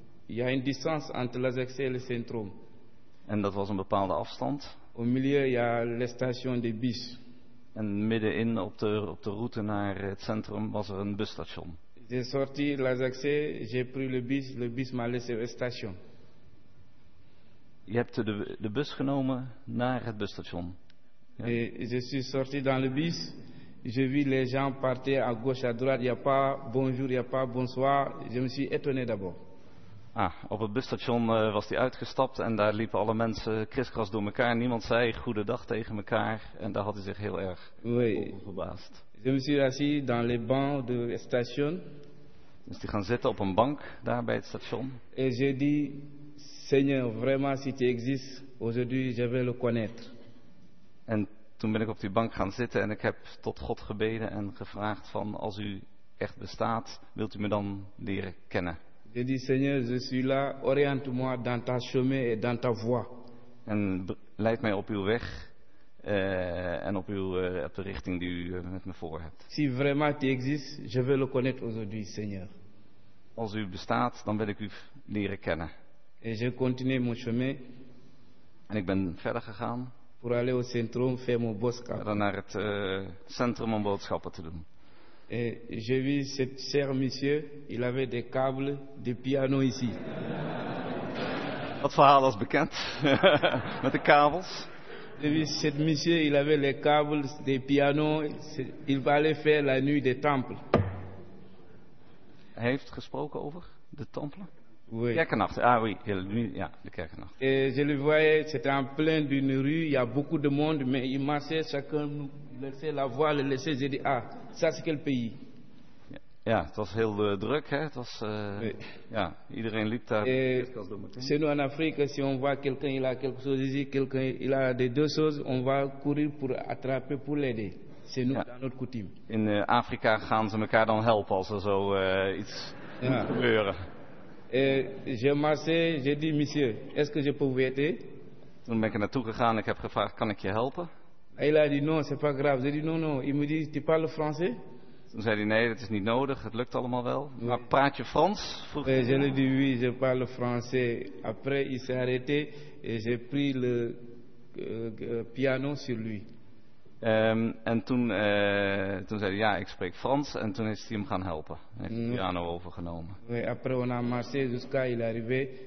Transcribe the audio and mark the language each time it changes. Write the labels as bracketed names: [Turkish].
[French] Y a une distance entre la ZXC et le centre. [Dutch] En dat was een bepaalde afstand. [French] Au milieu, y a les stations de bus. [Dutch] En middenin op de route naar het centrum was er een busstation. [French] J'ai sorti la ZXC, j'ai pris le bus m'a laissé au station. [Dutch] Je hebt de bus genomen naar het busstation. Ja. [French] Et je suis sorti dans le bus. Je vis les gens partir à gauche à droite, y a pas bonjour, y a pas bonsoir. Je me suis étonné d'abord. [Dutch] Ah, op het busstation was hij uitgestapt en daar liepen alle mensen kriskras door elkaar. Niemand zei goedendag tegen elkaar en daar had hij zich heel erg over verbaasd. [French] Je me suis assis dans les bancs de station. [Dutch] Dus die gaan zitten op een bank daar bij het station. [French] Et j'ai dit, Seigneur, vraiment si tu existes, aujourd'hui je vais le connaître. [Dutch] En toen ben ik op die bank gaan zitten en ik heb tot God gebeden en gevraagd van als u echt bestaat, wilt u me dan leren kennen? [French] Je dis Seigneur, je suis là, oriente-moi dans ta chemin et dans ta voie. [Dutch] En leid mij op uw weg en op op de richting die u met me voor hebt. [French] Si vraiment tu existes, je veux le connaître aujourd'hui, Seigneur. [Dutch] Als u bestaat, dan wil ik u leren kennen. [French] Et je continue mon chemin. [Dutch] En ik ben verder gegaan. [French] Pour aller au centre, faire mon boodschap. [Dutch] Dan naar het centrum om boodschappen te doen. [French] Et je vis cet cher monsieur, il avait des câbles de piano ici. [Dutch] Dat verhaal was bekend. Met de kabels. [French] Je vis cet monsieur, il avait les câbles de piano, il va aller faire la nuit des temples. [Dutch] Hij heeft gesproken over de tempel? [French] Oui. [Dutch] Kerkennacht. [French] Ah oui, [Dutch] heel, ja, de kerkennacht. [French] Et je le voyais, c'était en plein d'une rue, il y a beaucoup de monde, mais il marchait, chacun nous laissait la voie, le laissait, j'ai dit, ah, ça c'est quel pays? [Dutch] Ja, ja, het was heel druk, hè? Het was, oui. Ja, iedereen liep daar. [French] C'est nous en Afrique, si on voit quelqu'un, il a quelque chose ici, quelqu'un, il a des deux choses, on va courir pour attraper, pour l'aider. C'est nous, ja. Dans notre coutume. [Dutch] In Afrika gaan ze elkaar dan helpen als er zo iets ja. Moet gebeuren. [French] J'ai marché, j'ai dit, monsieur, est-ce que je peux vous aider? [Dutch] Toen ben ik er naartoe gegaan, ik heb gevraagd, kan ik je helpen? [French] Il a dit, non, c'est pas grave. J'ai dit, non, non, il me dit, tu parles français? [Dutch] Toen zei hij, nee, dat is niet nodig, het lukt allemaal wel. Oui. Maar praat je Frans? [French] Vroeg je lui dit, oui, je parle français. Après, il s'est arrêté, et j'ai pris le piano sur lui. [Dutch] En toen, toen zei hij, ja, ik spreek Frans. En toen is hij hem gaan helpen. Heeft de piano overgenomen. [French] Oui, après on a marché jusqu'à il arrivait.